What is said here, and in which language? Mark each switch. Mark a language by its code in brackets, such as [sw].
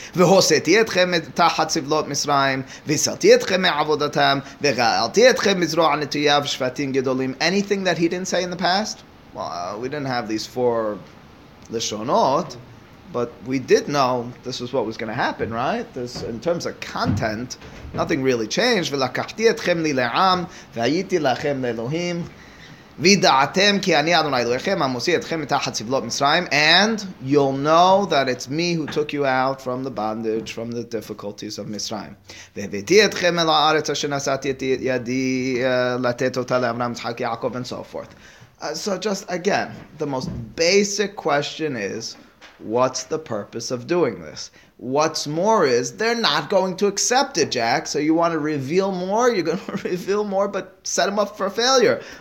[he] והוסיתי אתכם תחת סבלות מצרים, והסלתי אתכם מעבודתם, וגאלתי אתכם מזרוע נטויה ושפטים גדולים. [en] Anything that he didn't say in the past? Well, we didn't have these four lishonot, but we did know this was what was going to happen, right? This, in terms of content, nothing really changed. [he] ולקחתי אתכם לי לעם, והייתי לכם לאלוהים. וידעתם כי אני אדוני אלוהיכם המוציא אתכם מתחת סבלות מצרים, [en] and you'll know that it's me who took you out from the bondage, from the difficulties of Mitzrayim. [he] והבאתי אתכם אל הארץ אשר נשאתי את ידי לתת אותה לאברהם, יצחק, יעקב, [en] and so forth. So just again, the most basic question is, what's the purpose of doing this? What's more is, they're not going to accept it, Jack. So you want to reveal more? You're going to reveal more, but set them up for failure.